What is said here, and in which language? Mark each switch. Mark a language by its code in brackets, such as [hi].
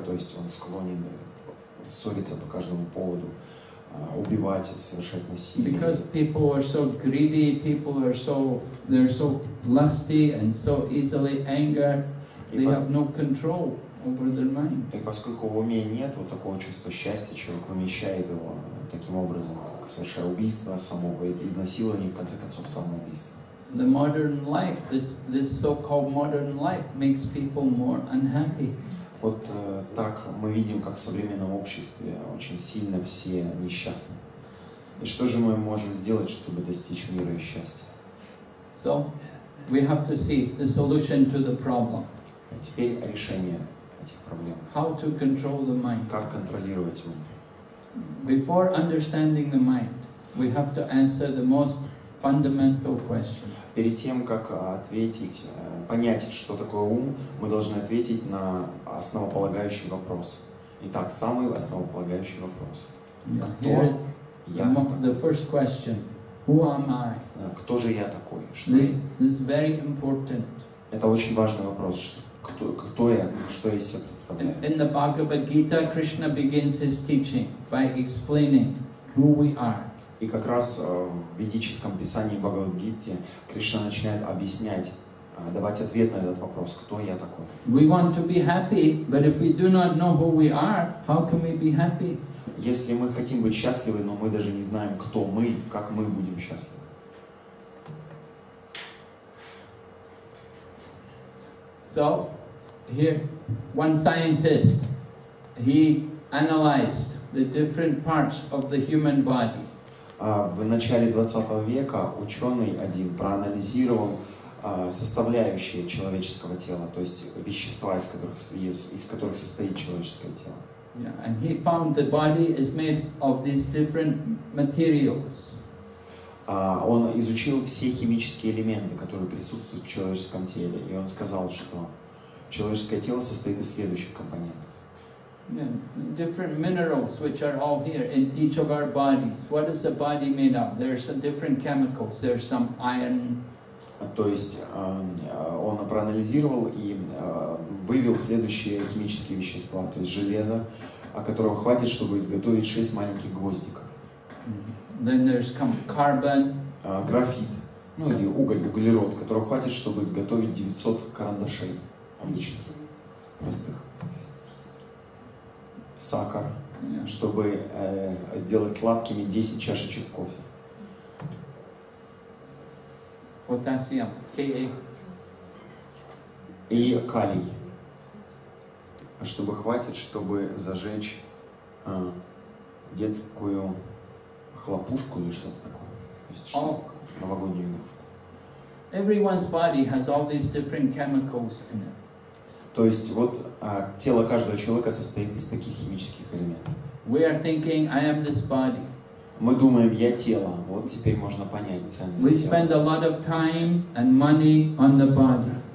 [ru] То есть он склонен ссориться по каждому поводу. Убивать, совершать насилие. [en] Because people are so greedy, people are so, they're so lusty and so easily angered, they have no control over their mind. [ru] И поскольку в уме нет вот такого чувства счастья, человек вымещает его таким образом, как совершая убийство самого, изнасилование, в конце концов, самоубийство. [en] The modern life, this so-called modern life makes people more unhappy. [ru] Вот так мы видим, как в современном обществе очень сильно все несчастны. И что же мы можем сделать, чтобы достичь мира и счастья? [en] So, we have to see the solution to the problem. [ru] А теперь решение этих проблем. [en] How to control the mind? [ru] Как контролировать ум? [en] Before understanding the mind, we have to answer the most fundamental question. [ru] Перед тем, как понять, что такое ум, мы должны ответить на основополагающий вопрос. Итак, самый основополагающий вопрос. [en] The first question. Who am I? [ru] Кто же я такой? [en] This is very important. [ru] Это очень важный вопрос. Кто я? Что я из себя представляю? [en] In the Bhagavad Gita, Krishna begins his teaching by explaining who we are. [ru] И как раз в ведическом писании Бхагавад-гите Кришна начинает объяснять, давать ответ на этот вопрос, кто я такой. [en] We want to be happy, but if we do not know who we are, how can we be happy? [ru] Если мы хотим быть счастливы, но мы даже не знаем, кто мы, как мы будем счастливы. [en] So, here, one scientist, he analyzed the different parts of the human body. [ru] В начале 20 века ученый один проанализировал составляющие человеческого тела, то есть вещества, из которых состоит человеческое тело. [en] Yeah, and he found the body is made of these different materials. Он изучил все химические элементы, которые присутствуют в человеческом теле, и он сказал, что человеческое тело состоит из следующих компонентов. Yeah, different minerals which are all here in each of our bodies. What is the body made of? There are some different chemicals. There are some iron. [ru] То есть он проанализировал и вывел следующие химические вещества, то есть железо, которого хватит, чтобы изготовить 6 маленьких гвоздиков. [en] Then there's carbon. [ru] Графит, ну или уголь, углерод, которого хватит, чтобы изготовить 900 карандашей обычных, простых. Сахар, yeah. чтобы сделать сладкими 10 чашечек кофе. [en] Potassium, Ka. [ru] И калий. Чтобы хватит, чтобы зажечь детскую хлопушку или что-то такое. То есть что-то такое, новогоднюю игрушку. [en] Everyone's body has all these different chemicals in it. [ru] То есть вот тело каждого человека состоит из таких химических элементов. [en] We are thinking, I am this body. [ru] Мы думаем, я тело. Вот теперь можно понять ценность. [en] We spend a lot of time and money on the body.